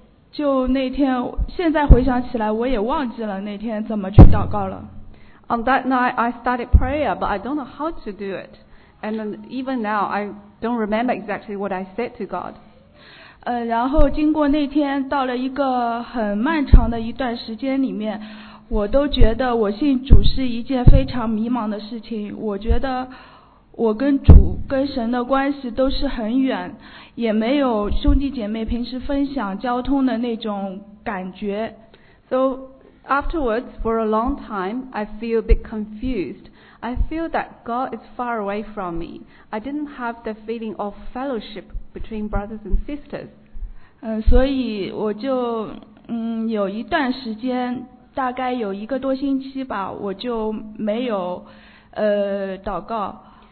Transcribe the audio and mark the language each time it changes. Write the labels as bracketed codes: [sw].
[zh] 就那天，现在回想起来，我也忘记了那天怎么去祷告了。 [en] On that night, I started prayer, but I don't know how to do it. And even now, I don't remember exactly what I said to God. [zh] 然后经过那天，到了一个很漫长的一段时间里面，我都觉得我信主是一件非常迷茫的事情，我觉得我跟主跟神的关系都是很远，也没有兄弟姐妹平时分享交通的那种感觉。 [en] So afterwards for a long time I feel a bit confused. I feel that God is far away from me. I didn't have the feeling of fellowship between brothers and sisters. [zh] 所以我就有一段时间，大概有一个多星期吧，我就没有祷告。